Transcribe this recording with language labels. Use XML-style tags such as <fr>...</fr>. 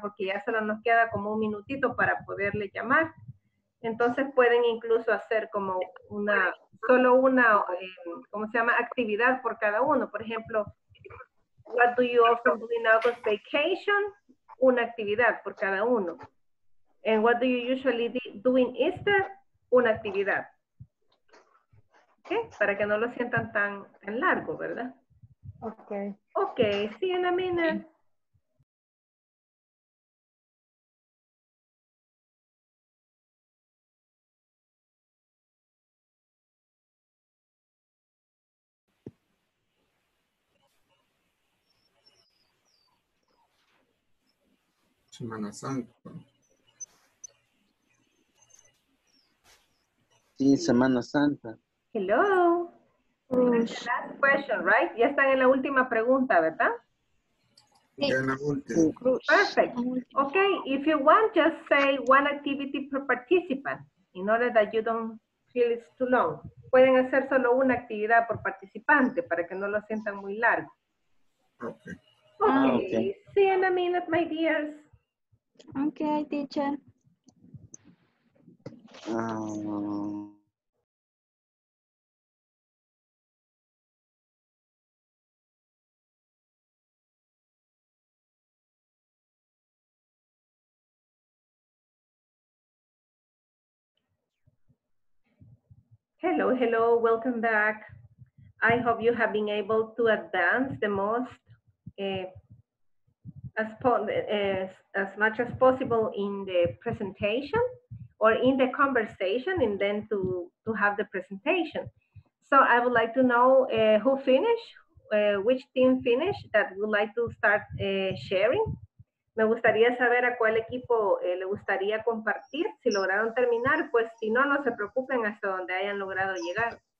<es>Porque ya solo nos queda como un minutito para poderle llamar. Entonces pueden incluso hacer como una, solo una, ¿cómo se llama? Actividad por cada uno. Por ejemplo,</es> <en>what do you often do in August vacation?</en> <es>Una actividad por cada uno.</es> <en>And what do you usually do in Easter?</en> <es>Una actividad. ¿Qué? Para que no lo sientan tan, tan largo, ¿verdad?</es> <en>Ok. Ok, see you in a minute.</en> <es>Semana Santa. Sí, Semana Santa.</es> <en>Hello. Last question, right?</en> <es>Ya están en la última pregunta, ¿verdad? Sí. En la última.</es> <en>Perfect. Okay, if you want, just say one activity per participant in order that you don't feel it's too long.</en> <es>Pueden hacer solo una actividad por participante para que no lo sientan muy largo.</es> <en>Okay. Okay. See you in a minute, my dears. Okay, teacher. Hello, hello, welcome back. I hope you have been able to advance the most as much as possible in the presentation or in the conversation and then to have the presentation. So I would like to know who finished, which team finished that would like to start sharing.</en> <es>Me gustaría saber a cuál equipo le gustaría compartir. Si lograron terminar, pues si no, no se preocupen hasta donde hayan logrado llegar.</es>